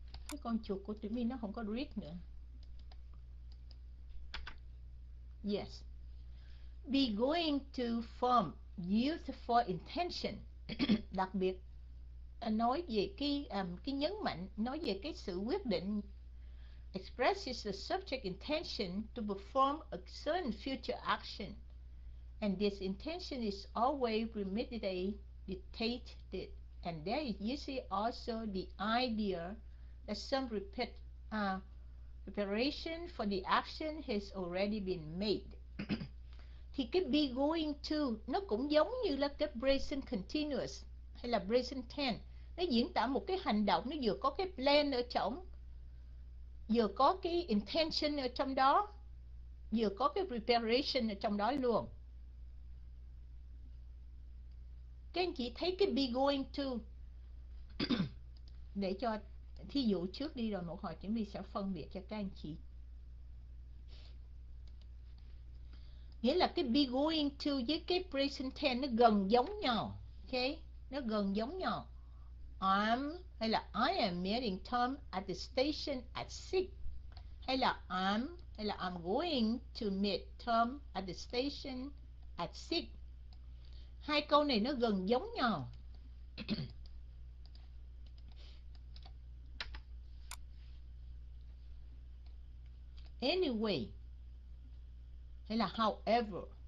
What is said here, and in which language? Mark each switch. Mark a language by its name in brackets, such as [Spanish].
[Vietnamese] Cái con chuột của tụi mình nó không có read nữa. [English] Yes. Be going to form used for intention. [Vietnamese] Đặc biệt nói về cái nhấn mạnh, nói về cái sự quyết định. [English] Expresses the subject intention to perform a certain future action. And this intention is always premeditated and there is usually also the idea that some Preparation for the action has already been made. [Vietnamese] Thì cái be going to nó cũng giống như là cái present continuous hay là present tense. Nó diễn tả một cái hành động, nó vừa có cái plan ở trong, vừa có cái intention ở trong đó, vừa có cái preparation ở trong đó luôn. Các anh chị thấy cái be going to để cho thí dụ trước đi rồi một hồi chuẩn bị sẽ phân biệt cho các anh chị. Nghĩa là cái be going to với cái present tense nó gần giống nhau. Ok, nó gần giống nhau. [English] I'm [Vietnamese] hay là [English] I am meeting Tom at the station at 6. [Vietnamese] Hay là [English] I'm going to meet Tom at the station at 6. [Vietnamese] Hai câu này nó gần giống nhau. [English] Anyway, [Vietnamese] hay là [English] however.